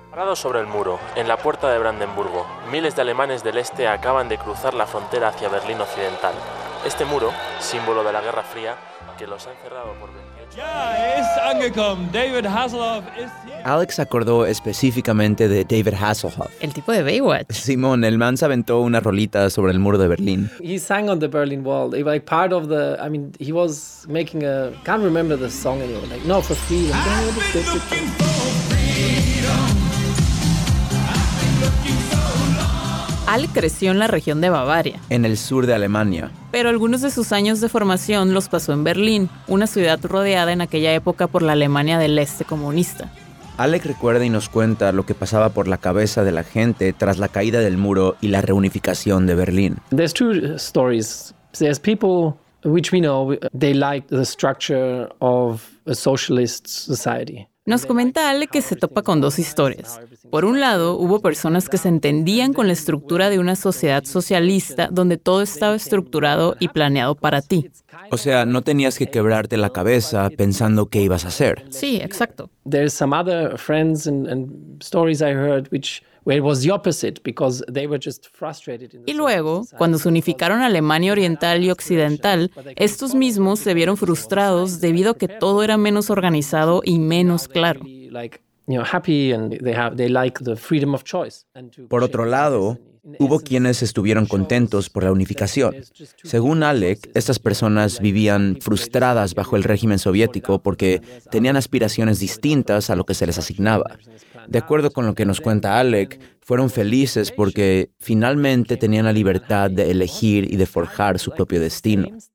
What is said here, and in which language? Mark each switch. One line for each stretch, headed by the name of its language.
Spanish: Parados sobre el muro, en la puerta de Brandenburgo, miles de alemanes del Este acaban de cruzar la frontera hacia Berlín Occidental. Este muro, símbolo de la Guerra Fría, que los ha encerrado por 28 años.
German: Ya, es angekommen.
English: David Hasselhoff is here.
Spanish: Alex acordó específicamente de David Hasselhoff. El tipo de Baywatch. Simón, el man se aventó una rolita sobre el muro de Berlín.
English: He sang on the Berlin Wall. He was like part of the, I mean, he was making a, can't remember the song anymore. Like, no, for free. I've been looking for freedom.
Spanish: Alec creció en la región de Bavaria, en el sur de Alemania. Pero algunos de sus años de formación los pasó en Berlín, una ciudad rodeada en aquella época por la Alemania del Este comunista. Alec recuerda y nos cuenta lo que pasaba por la cabeza de la gente tras la caída del muro y la reunificación de Berlín.
English: There's two stories. There's people which we know they like the structure of a socialist society.
Spanish: Nos comenta Ale que se topa con dos historias. Por un lado, hubo personas que se entendían con la estructura de una sociedad socialista donde todo estaba estructurado y planeado para ti. O sea, no tenías que quebrarte la cabeza pensando qué ibas a hacer. Sí, exacto.
English: There's some other friends and stories I heard which where it was the opposite because they were just frustrated.
Spanish: Y luego, cuando se unificaron Alemania Oriental y Occidental, estos mismos se vieron frustrados debido a que todo era menos organizado y menos claro.
English: You know, happy and they like the freedom of choice.
Spanish: Por otro lado, hubo quienes estuvieron contentos por la unificación. Según Alec, estas personas vivían frustradas bajo el régimen soviético porque tenían aspiraciones distintas a lo que se les asignaba. De acuerdo con lo que nos cuenta Alec, fueron felices porque finalmente tenían la libertad de elegir y de forjar su propio destino.